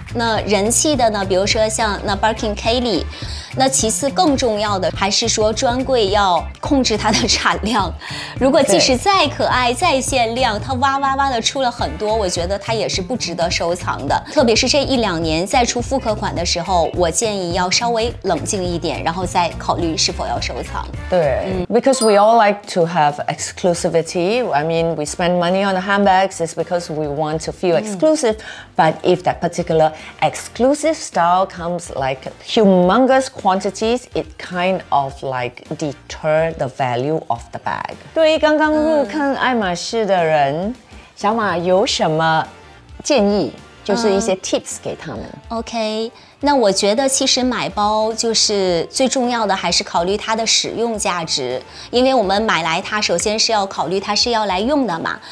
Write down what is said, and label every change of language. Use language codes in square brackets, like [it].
[zh] 那人气的呢比如说像那 Birkin Kelly， 那其次更重要的还是说专柜要控制它的产量，如果即使再可爱再限量它哇哇哇的出了很多，我觉得它也是不值得收藏的。特别是这一两年再出复刻款的时候，我建议要稍微冷静一点然后再考虑是否要收藏。 [en] 对、Because we all like to have exclusivity. I mean we spend money on the handbags is because we want to feel exclusive、But if that particular exclusive style comes like humongous quantities, it kind of like deter the value of the bag. [zh] 对于刚刚入坑爱马仕的人、小马有什么建议，就是一些 tips 给他们。 OK， 那我觉得其实买包就是最重要的还是考虑它的使用价值，因为我们买来它首先是要考虑它是要来用的嘛。